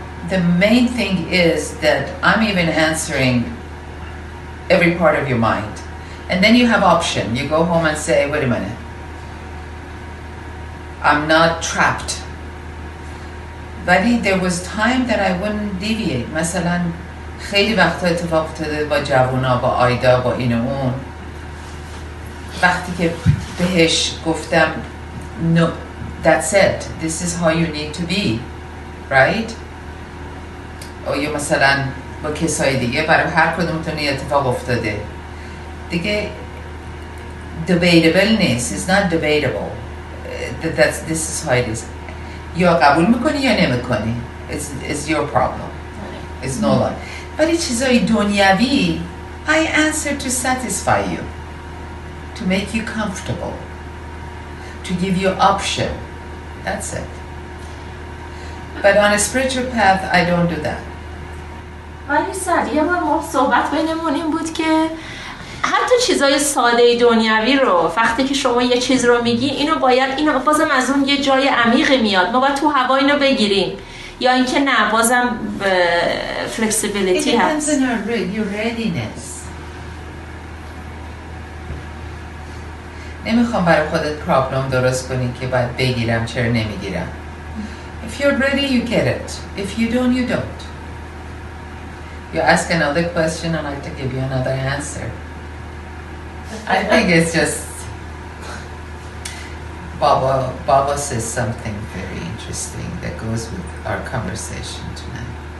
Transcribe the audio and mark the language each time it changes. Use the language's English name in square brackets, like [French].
[English] The main thing is that I'm even answering every part of your mind. And then you have option. You go home and say, wait a minute. I'm not trapped. [Persian] ولی [English] there was time that I wouldn't deviate. [Persian] مثلا خیلی وقتا اتفاق افتاده با جوونا، با آیدا، با این و اون. وقتی که بهش گفتم [English] no, that's it. This is how you need to be. Right? [Persian] یا مثلا با کسای دیگه برای هر کدومتون اتفاق افتاده. دیگه debatable نیست. [English] It's not debatable. This is how it is. [Persian] یا قبول میکنی یا نمیکنی. [English] It's your problem. It's no lie. [Persian] ولی چیزای دنیاوی [English] I answer to satisfy you. To make you comfortable. To give you option. That's it. But on a spiritual path I don't do that. [Persian] ولی سر یه ما صحبت بینمون این بود که حتی چیزای ساده دنیاوی رو وقتی که شما یه چیز رو میگی اینو باید اینو بازم از اون یه جای عمیق میاد ما باید تو هوا اینو بگیریم یا اینکه نه بازم [English] flexibility it depends on your readiness. [Persian] نمیخوام برای خودت پرابلم درست کنی که باید بگیرم چرا نمیگیرم. [English] If you're ready, you get it. If you don't, you don't. You ask another question and I'd like to give you another answer. I think it's just Baba says something very interesting that goes with our conversation tonight.